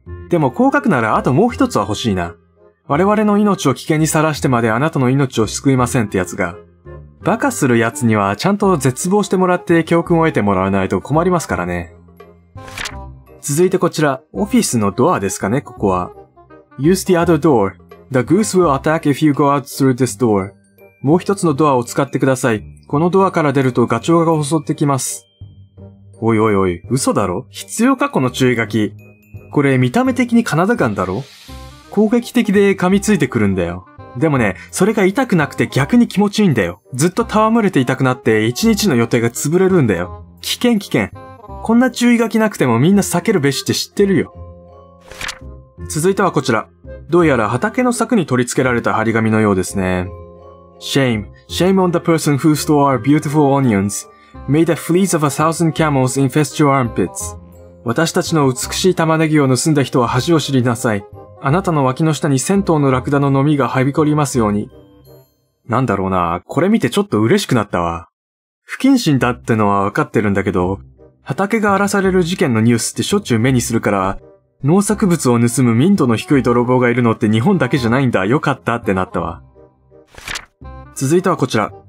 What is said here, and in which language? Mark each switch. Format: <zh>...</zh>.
<ja>でも降格ならあともう一つは欲しいな。我々の命を危険にさらしてまであなたの命を救いませんってやつが。バカする奴にはちゃんと絶望してもらって教訓を得てもらわないと困りますからね。続いてこちら、オフィスのドアですかね、ここは。</ja> <en>Use the other door. The goose will attack if you go out through this door.</en> <ja>もう一つのドアを使ってください。このドアから出るとガチョウが襲ってきます。おいおいおい、嘘だろ？必要か？この注意書き。これ見た目的にカナダガンだろ？攻撃的で噛みついてくるんだよ。でもね、それが痛くなくて逆に気持ちいいんだよ。ずっと戯れて痛くなって一日の予定が潰れるんだよ。危険危険。こんな注意書きなくてもみんな避けるべしって知ってるよ。続いてはこちら。どうやら畑の柵に取り付けられた張り紙のようですね。</ja> <en>Shame. Shame on the person who stole our beautiful onions. Made a fleas of a thousand camels infest your armpits.</en> <ja>私たちの美しい玉ねぎを盗んだ人は恥を知りなさい。あなたの脇の下に千頭のラクダののみがはびこりますように。なんだろうな、これ見てちょっと嬉しくなったわ。不謹慎だってのはわかってるんだけど、畑が荒らされる事件のニュースってしょっちゅう目にするから、農作物を盗む民度の低い泥棒がいるのって日本だけじゃないんだ、よかったってなったわ。続いてはこちら。</ja>